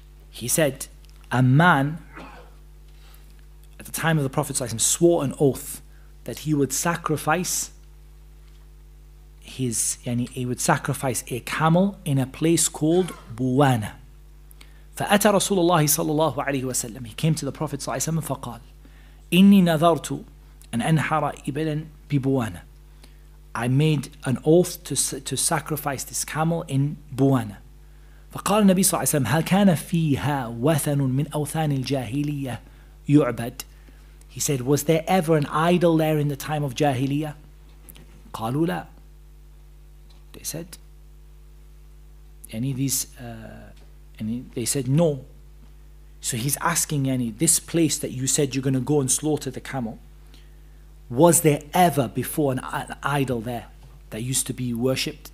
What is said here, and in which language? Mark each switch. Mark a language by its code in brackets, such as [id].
[en] He said, a man at the time of the Prophet ﷺ swore an oath that he would sacrifice a camel in a place called Buwana. [ar] فَأَتَى رَسُولُ اللَّهِ صَلَّى اللَّهُ عَلَيْهِ وَسَلَّمَ. [en] He came to the Prophet ﷺ [ar] فقال, إِنِّي نَذَرْتُ أَنْ أَنْحَرَ إِبِلًا بِبُوَانَ. [en] I made an oath to sacrifice this camel in Buwana. [ar] فقال النبي صلى الله عليه وسلم هل كان فيها وثن من أوثان الجاهلية يعبد. [en] He said, was there ever an idol there in the time of Jahiliyyah? [ar] قَالُوا لَا. [en] They said, no. So he's asking, this place that you said you're going to go and slaughter the camel, was there ever before an idol there that used to be worshipped?